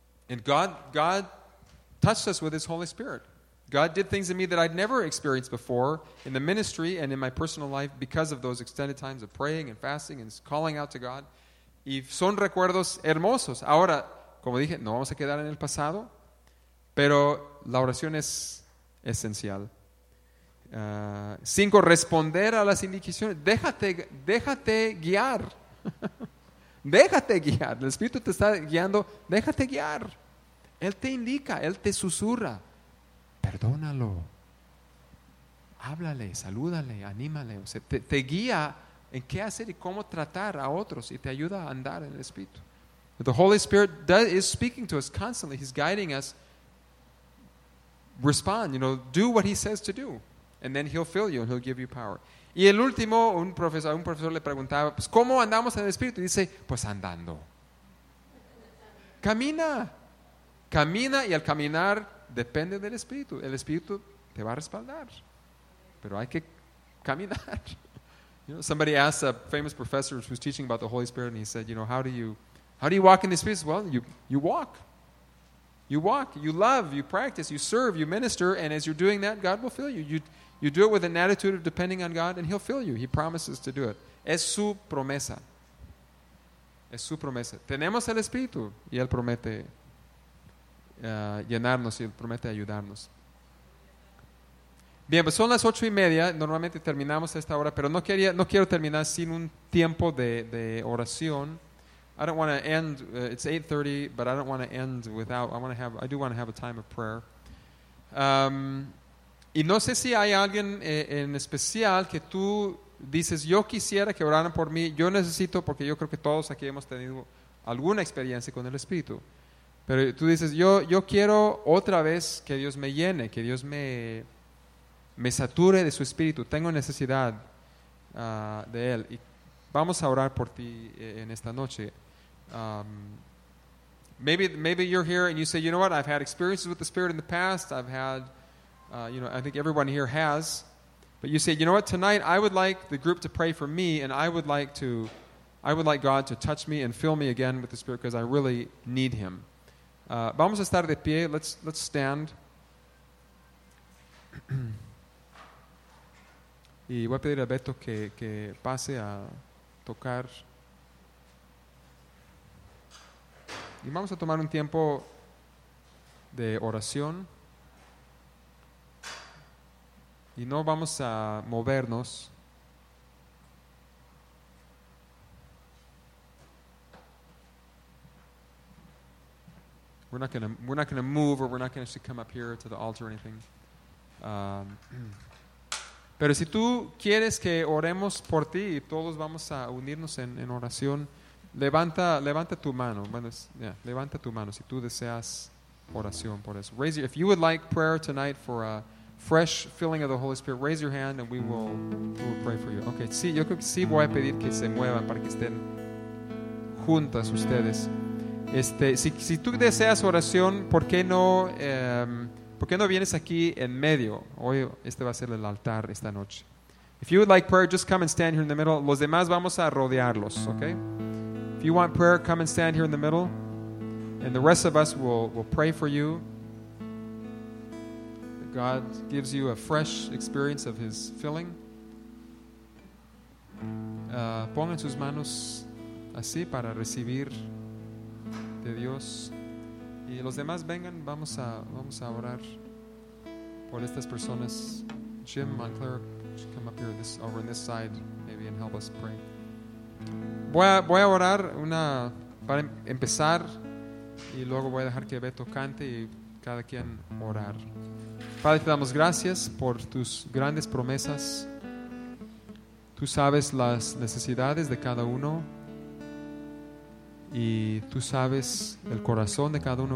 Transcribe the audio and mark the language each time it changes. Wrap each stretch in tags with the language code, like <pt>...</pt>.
<en>And God touched us with His Holy Spirit. God did things in me that I'd never experienced before in the ministry and in my personal life because of those extended times of praying and fasting and calling out to God.</en> <es>Y son recuerdos hermosos. Ahora, como dije, no vamos a quedar en el pasado, pero la oración es esencial. 5, responder a las indicaciones. Déjate guiar. Déjate guiar. El Espíritu te está guiando. Déjate guiar. Él te indica, Él te susurra. Perdónalo, háblale, salúdale, anímale. O sea, te guía en qué hacer y cómo tratar a otros y te ayuda a andar en el Espíritu.</es> <en>The Holy Spirit is speaking to us constantly. He's guiding us. Respond, you know, do what He says to do. And then He'll fill you and He'll give you power.</en> <es>Y el último, un profesor le preguntaba, pues, ¿cómo andamos en el Espíritu? Y dice, pues andando. Camina. Camina y al caminar depende del Espíritu. El Espíritu te va a respaldar. Pero hay que caminar.</es> <en>You know, somebody asked a famous professor who was teaching about the Holy Spirit, and he said, you know, how do you walk in the Spirit? Well, you walk. You walk. You love. You practice. You serve. You minister. And as you're doing that, God will fill you. You do it with an attitude of depending on God, and He'll fill you. He promises to do it.</en> <es>Es su promesa. Es su promesa. Tenemos el Espíritu, y Él promete llenarnos y promete ayudarnos. Bien, pues son las 8:30. Normalmente terminamos a esta hora, pero no quiero terminar sin un tiempo de oración.</es> <en>I don't want to end. It's 8:30, but I don't want to end without. I do want to have a time of prayer.</en> <es>Y no sé si hay alguien en especial que tú dices, yo quisiera que oraran por mí. Yo necesito, porque yo creo que todos aquí hemos tenido alguna experiencia con el Espíritu. Pero tú dices, yo quiero otra vez que Dios me llene, que Dios me sature de su Espíritu. Tengo necesidad de Él. Y vamos a orar por ti en esta noche.</es> <en>Maybe you're here and you say, you know what, I've had experiences with the Spirit in the past. I've had, I think everyone here has. But you say, you know what, tonight I would like the group to pray for me, and I would like God to touch me and fill me again with the Spirit because I really need him.</en> <es>Vamos a estar de pie.</es> <en>Let's stand.</en> <es>Y voy a pedir a Beto que pase a tocar. Y vamos a tomar un tiempo de oración. Y no vamos a movernos.</es> <en>We're not gonna move, or we're not gonna actually come up here to the altar or anything.</en> <es>Pero si tú quieres que oremos por ti y todos vamos a unirnos en oración, levanta tu mano. Bueno, levanta tu mano si tú deseas oración por eso.</es> <en>If you would like prayer tonight for a fresh filling of the Holy Spirit, raise your hand and we will pray for you.</en> <es>Okay, sí, yo creo que sí voy a pedir que se muevan para que estén juntas ustedes. Si tú deseas oración, ¿Por qué no vienes aquí en medio? Hoy este va a ser el altar esta noche.</es> <en>If you would like prayer, just come and stand here in the middle.</en> <es>Los demás vamos a rodearlos,</es> <en>okay? If you want prayer, come and stand here in the middle. And the rest of us will pray for you. God gives you a fresh experience of his filling.</en> <es>Pongan sus manos así para recibir de Dios. Y los demás vengan, vamos a orar por estas personas.</es> <en>Jim Montclair, come up here over on this side, maybe, and help us pray.</en> <es>Voy a orar una para empezar y luego voy a dejar que Beto cante y cada quien orar. Padre, te damos gracias por tus grandes promesas. Tú sabes las necesidades de cada uno. Y tú sabes el corazón de cada uno.</es>